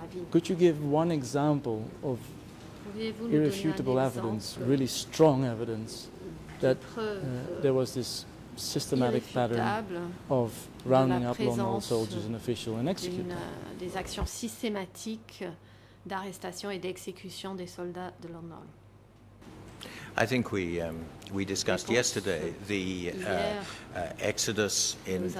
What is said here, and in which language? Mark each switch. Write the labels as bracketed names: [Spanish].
[English] Could you give one example of irrefutable evidence, really strong evidence, that there was this systematic pattern of rounding up Lon Nol soldiers and officials and executing them. [French] Des actions systématiques d'arrestation et d'exécution des soldats de Lon Nol. [English] I think we discussed yesterday the exodus in.